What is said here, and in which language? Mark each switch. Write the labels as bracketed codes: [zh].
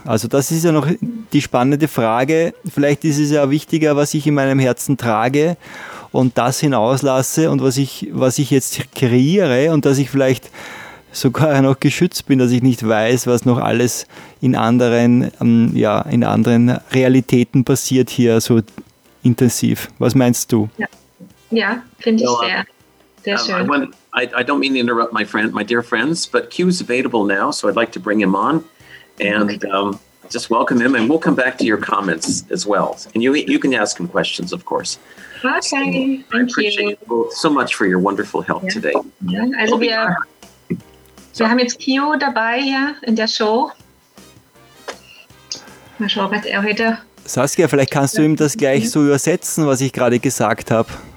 [de] Also das ist ja noch die spannende Frage. Vielleicht ist es ja wichtiger, was ich in meinem Herzen trage und das hinauslasse und was ich jetzt kreiere und dass ich vielleicht sogar noch geschützt bin, dass ich nicht weiß, was noch alles in anderen Realitäten passiert hier so intensiv. Was meinst du? Ja, finde ich sehr schön. [en] I don't mean to interrupt my dear friends, but Q's available now, so I'd like to bring him on and just welcome him, and we'll come back to your comments as well. And you can ask him questions, of course. Okay, so, thank you. I appreciate you both so much for your wonderful help today. [de] Also wir haben jetzt Kio dabei hier in der Show. Mal schauen, was er heute... Saskia, vielleicht kannst du ihm das gleich so übersetzen, was ich gerade gesagt habe.